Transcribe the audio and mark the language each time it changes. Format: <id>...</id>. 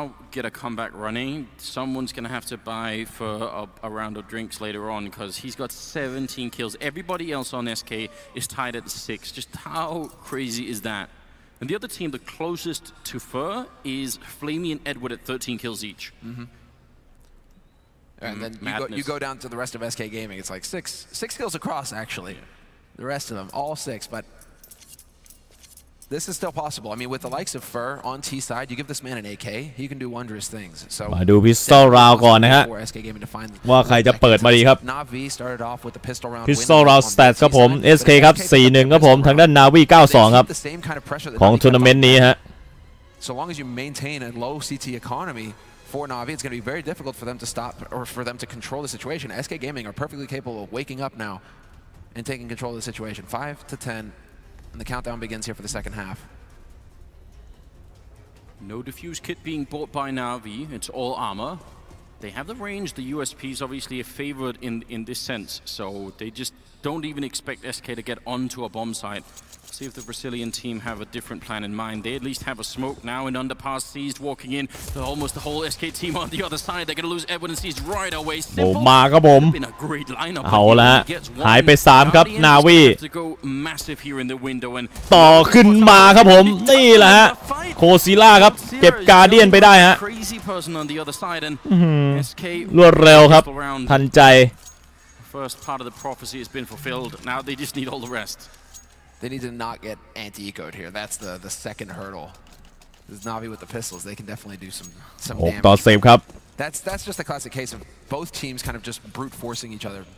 <en>get a comeback running someone's gonna have to buy for a round of drinks later on because he's got 17 kills everybody else on SK is tied at 6 just how crazy is that and the other team the closest to Fur is Flamey and Edward at 13 kills each and then you go down to the rest of SK Gaming it's like six kills across actually the rest of them all 6 butThis is still possible. I mean, with the likes of Fur on T side, you give this man an AK, he can do wondrous things. So,</en> <th>มาดูพิสตอลราวก่อนนะฮะว่าใครจะเปิดมาดีครับ</th> <en>Navi started off with the pistol round.</en> <th>พิสตอลราวสแตทครับผม SK ครับ4-1ครับผมทางด้าน Navi 9-2 ครับของทัวร์นาเมนต์นี้ฮะ</th> <en>So long as you maintain a low CT economy for Navi, it's going to be very difficult for them to stop or for them to control the situation. SK Gaming are perfectly capable of waking up now and taking control of the situation. 5-10. And the countdown begins here for the second half. No defuse kit being bought by Navi. It's all armor. They have the range. The USP is obviously a favorite in this sense. So they just don't even expect SK to get onto a bomb site. See if the Brazilian team have a different plan in mind. They at least have a smoke now. An underpass seized walking in. Almost the whole SK team on the other side. They're going to lose Edward and seized right away. Simple. Oh, my God, boom. Been a great lineup.</en> <th>เอาละ หายไป 3 ครับ Navi.</th> <en>To go massive here in the window and</en> <th>ต่อขึ้นมาครับผมนี่แหละฮะโคซิล่าครับเก็บการ์เดียนไปได้ฮะ</th> <en>Crazy person on the other side and</en> <th>SK รวดเร็วครับทันใจ</th> <en>First part of the prophecy has been fulfilled. Now they just need all the rest. They need to not get anti-ecoed here. That's the second hurdle. Navi with the pistols, they can definitely do some damage. That's just a classic case of both teams kind of just brute forcing each other.</en>